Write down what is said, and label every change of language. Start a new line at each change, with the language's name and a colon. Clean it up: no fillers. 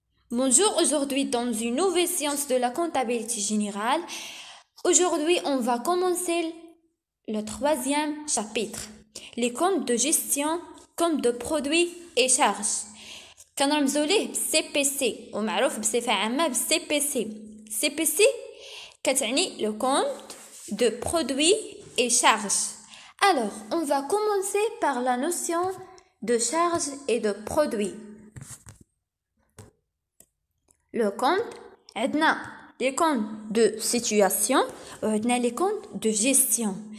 French: Bonjour, aujourd'hui dans une nouvelle séance de la comptabilité générale. Aujourd'hui, on va commencer le troisième chapitre, les comptes de gestion, comptes de produits et charges.
Arabic: كنرمزوا ليه CPC ومعروف بصفة عامة CPC.
French: CPC كتعني le compte de produits et charges. Alors, on va commencer par la notion de charges et de produits. Le compte, les comptes de situation, les comptes de gestion.